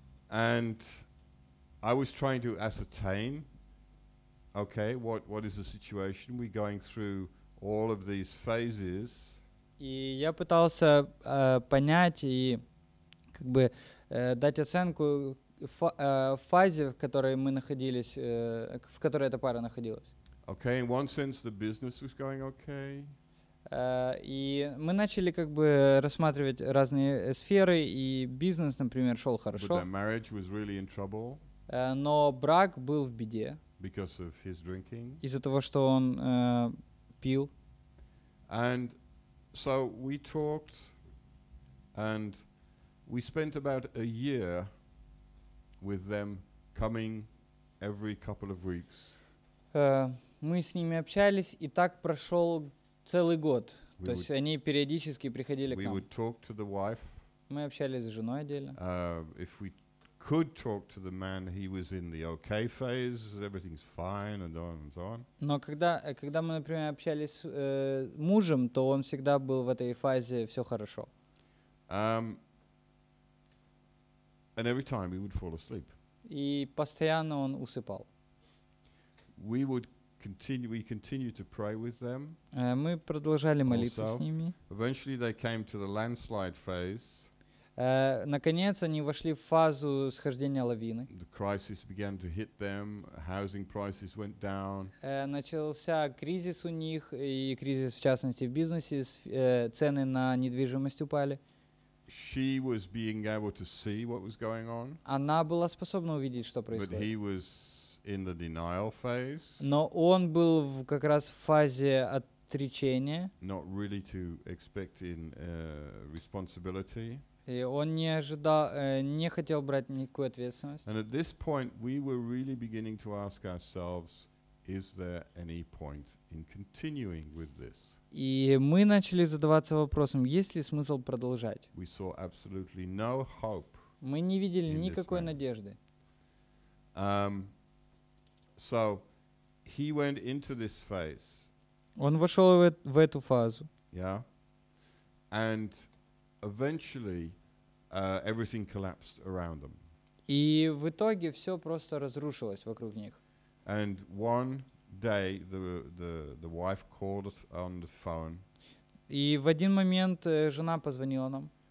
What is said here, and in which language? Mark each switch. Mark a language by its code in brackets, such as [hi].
[en] And I was trying to ascertain, okay, what is the situation? We're going through all of these phases. [ru] И я пытался понять и как бы дать оценку фазе, в которой мы находились, в которой эта пара находилась. [en] Okay, in one sense the business was going okay. [ru] И мы начали как бы рассматривать разные сферы, и бизнес, например, шел хорошо. [en] But their marriage was really in trouble. [ru] Но брак был в беде. [en] Because of his drinking. [ru] Из-за того, что он пил. [en] And so we talked, and we spent about a year with them coming every couple of weeks. [ru] Мы с ними общались, и так прошел целый год. То есть они периодически приходили к нам. [en] We would talk to the wife. [ru] Мы общались с женой отдельно. [en] If we could talk to the man, he was in the okay phase, everything's fine, and on and so on. [ru] Но когда мы, например, общались с мужем, то он всегда был в этой фазе, все хорошо. [en] And every time he would fall asleep. [ru] И постоянно он усыпал. [en] We continue to pray with them. [ru] Мы продолжали молиться [en] also [ru] с ними. [en] Eventually they came to the landslide phase. [ru] Наконец они вошли в фазу схождения лавины. [en] The crisis began to hit them. Housing prices went down. [ru] Начался кризис у них, и кризис в частности в бизнесе. Цены на недвижимость упали. [en] She was being able to see what was going on. [ru] Она была способна увидеть, что происходит. [en] But he was in the denial phase. [ru] Но он был в как раз в фазе отречения. [en] Not really to expect in responsibility. [ru] И он не ожидал, не хотел брать никакую ответственность. [en] And at this point we were really beginning to ask ourselves, is there any point in continuing with this? [ru] И мы начали задаваться вопросом, есть ли смысл продолжать? [en] We saw absolutely no hope. [ru] Мы не видели никакой надежды. [en] So he went into this phase. [ru] Он вошел в эту фазу. [en] Yeah. And eventually everything collapsed around them. [ru] И в итоге все просто разрушилось вокруг них. [en] And one day the wife called on the phone. [ru] И в один момент жена позвонила нам.